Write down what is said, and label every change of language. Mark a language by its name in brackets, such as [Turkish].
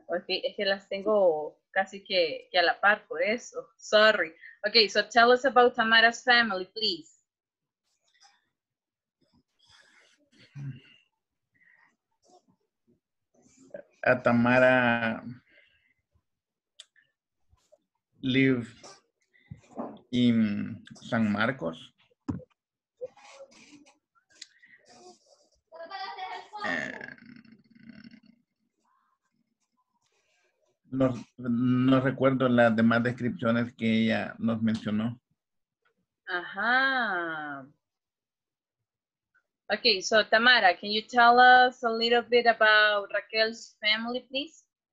[Spanish] Okay, es que las tengo casi que a la par por eso. [English] Sorry. Okay, so tell us about Tamara's family, please. A Tamara live in San Marcos. [Spanish] No recuerdo las demás descripciones que ella nos mencionó. Ajá. [English] Okay, so Tamara, can you tell us a little bit about Raquel's family, please?